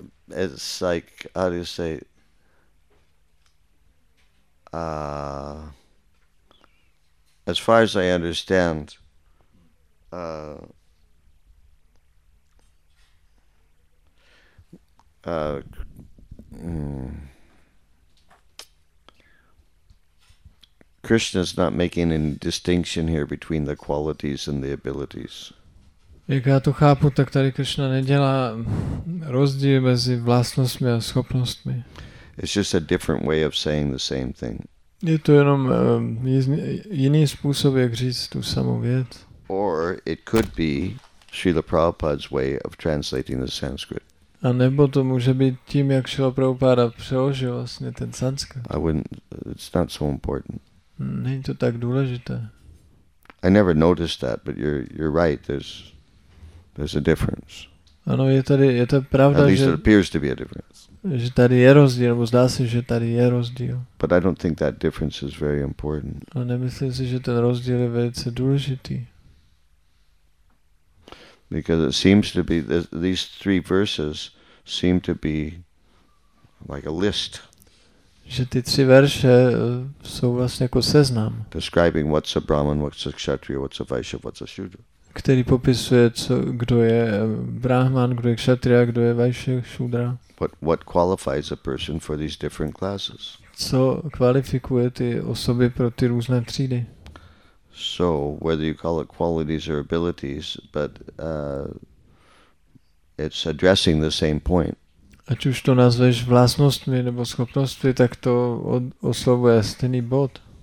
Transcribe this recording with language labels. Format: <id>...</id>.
<en>It's like, how do you say, as far as I understand, Krishna's not making any distinction here between the qualities and the abilities.</en> <cs>Jak já to chápu, tak tady Krishna nedělá rozdíl mezi vlastnostmi a schopnostmi.</cs> <en>It's just a different way of saying the same thing.</en> <cs>Je to jenom jiný způsob, jak říct tu samou věc.</cs> <en>Or it could be Srila Prabhupada's way of translating the Sanskrit.</en> <cs>A nebo to může být tím, jak Srila Prabhupada přeložil vlastně ten sanskrit.</cs> <en>I wouldn't, it's not so important.</en> <cs>Není to tak důležité.</cs> <en>I never noticed that, but you're right. There's a difference.</en> <cs>Ano, je to pravda,</cs> <en>at least it appears to be a difference.</en> <cs>Že tady je rozdíl, nebo zdá se, že tady je rozdíl.</cs> <en>But I don't think that difference is very important.</en> <cs>Ale nemyslím si, že ten rozdíl je velice důležitý.</cs> <en>Because it seems to be these three verses seem to be like a list.</en> <cs>Že ty tři verše jsou vlastně jako seznam.</cs> <en>Describing what's a brahman, what's a kshatriya, what's a vaishya, what's a shudra.</en> <cs>Který popisuje, kdo je brahman, kdo je kshatriya, kdo je vaishya, shudra.</cs> <en>What qualifies a person for these different classes?</en> <cs>Co kvalifikuje ty osoby pro ty různé třídy?</cs> <en>So whether you call it qualities or abilities, but it's addressing the same point.</en> <cs>Ať už to nazveš vlastnostmi nebo schopnostmi, tak to oslovuje stejný bod.</cs>